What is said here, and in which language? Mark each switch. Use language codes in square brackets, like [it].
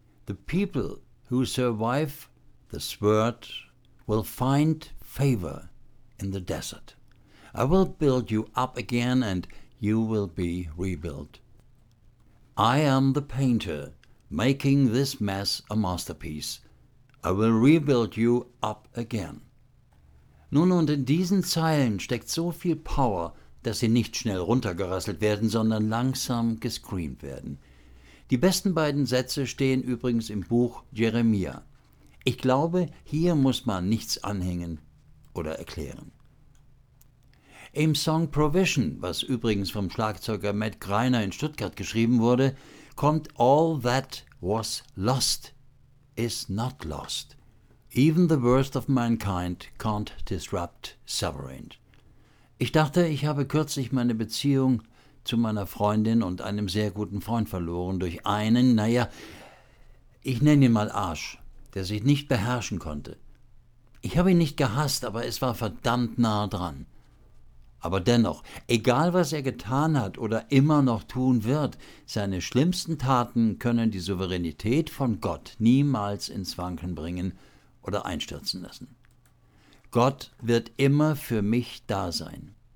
[en] The people who survive the sword will find favor in the desert. I will build you up again and you will be rebuilt. I am the painter making this mess a masterpiece. I will rebuild you up again. [de] Nun, und in diesen Zeilen steckt so viel Power, dass sie nicht schnell runtergerasselt werden, sondern langsam gescreamt werden. Die besten beiden Sätze stehen übrigens im Buch Jeremia. Ich glaube, hier muss man nichts anhängen oder erklären. Im Song Provision, was übrigens vom Schlagzeuger Matt Greiner in Stuttgart geschrieben wurde, kommt All that was lost is not lost. [en] Even the worst of mankind can't disrupt sovereign. [de] Ich dachte, ich habe kürzlich meine Beziehung zu meiner Freundin und einem sehr guten Freund verloren durch einen, naja, ich nenne ihn mal Arsch, der sich nicht beherrschen konnte. Ich habe ihn nicht gehasst, aber es war verdammt nah dran. Aber dennoch, egal was er getan hat oder immer noch tun wird, seine schlimmsten Taten können die Souveränität von Gott niemals ins Wanken bringen oder einstürzen lassen. Gott wird immer für mich da sein.